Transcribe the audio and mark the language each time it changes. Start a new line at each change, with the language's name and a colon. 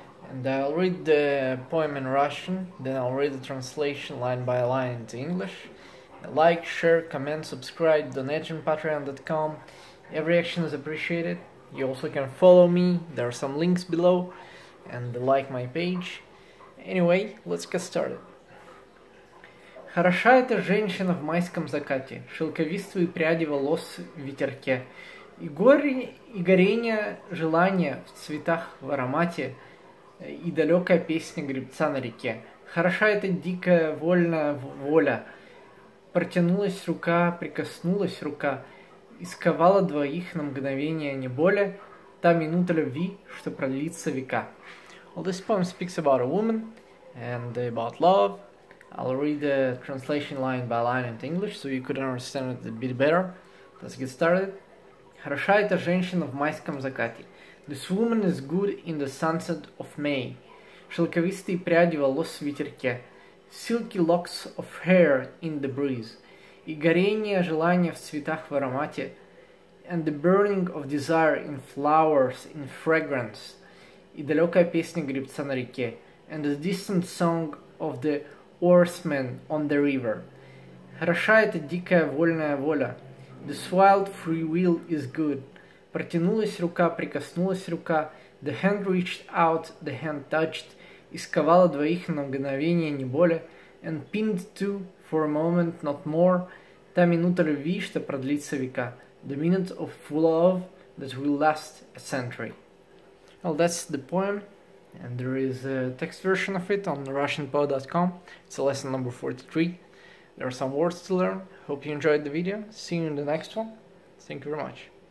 English: And I'll read the poem in Russian, then I'll read the translation line by line into English. Like, share, comment, subscribe, donate on Patreon.com. Every action is appreciated. You also can follow me, there are some links below, and like my page. Anyway, let's get started.
Russian: Хороша эта женщина в майском закате, шелковистые пряди волос в ветерке, и горение желания в цветах, в аромате, и далекая песня гребца на реке. Хороша эта дикая вольная воля, протянулась рука, прикоснулась рука, и сковала двоих на мгновение не более, та минута любви, что продлится века.
English: Well, this poem speaks about a woman and about love. I'll read the translation line by line into English, so you could understand it a bit better. Let's get started.
Russian: Хороша эта женщина в майском закате.
English: This woman is good in the sunset of May.
Russian: Шелковистые пряди волос в ветерке.
English: Silky locks of hair in the breeze.
Russian: И горение желания в цветах в аромате.
English: And the burning of desire in flowers, in fragrance.
Russian: И далекая песня гребца на реке.
English: And the distant song of the oarsman on the river.
Russian: Хороша эта дикая вольная воля.
English: This wild free will is good.
Russian: Протянулась рука, прикоснулась рука.
English: The hand reached out, the hand touched.
Russian: И сковала двоих на мгновение не более.
English: And pinned two for a moment, not more.
Russian: Та минута любви, что продлится века.
English: The minute of love that will last a century. Well, that's the poem. And there is a text version of it on RussianPoe.com. It's a lesson number 43. There are some words to learn. Hope you enjoyed the video. See you in the next one. Thank you very much.